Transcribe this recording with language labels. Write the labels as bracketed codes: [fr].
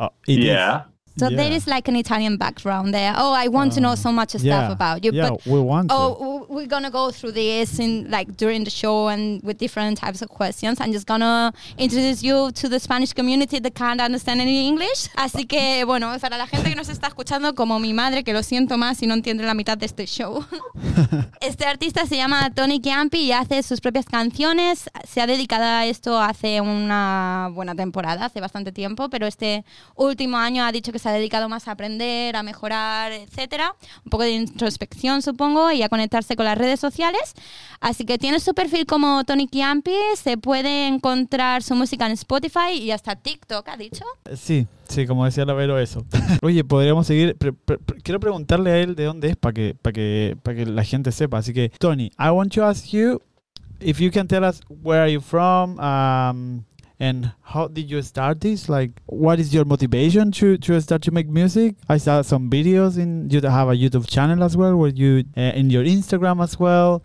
[en] It yeah. is. So yeah. There is like an Italian background there. Oh, I want to know so much stuff about you. Yeah, but we want to. Oh, we're going to go through this in like during the show and with different types of questions. I'm just going to introduce you to the Spanish community that can't understand any English. [es] Así que, bueno, para la gente que nos está escuchando, como mi madre, que lo siento más y no entiende la mitad de este show. Este artista se llama Toni Ciampi y hace sus propias canciones. Se ha dedicado a esto hace una buena temporada, hace bastante tiempo, pero este último año ha dicho que se ha dedicado más a aprender, a mejorar, etcétera. Un poco de introspección, supongo, y a conectarse con las redes sociales. Así que tiene su perfil como Toni Ciampi. Se puede encontrar su música en Spotify y hasta TikTok, ha dicho. Sí, como decía la Vero, eso. Oye, podríamos seguir. Quiero preguntarle a él de dónde es para que la gente sepa. Así que, [en] Toni, I want to ask you if you can tell us where are you from, and how did you start this? Like, what is your motivation to start to make music? I saw some videos in, you have a YouTube channel as well, where you, in your Instagram as well.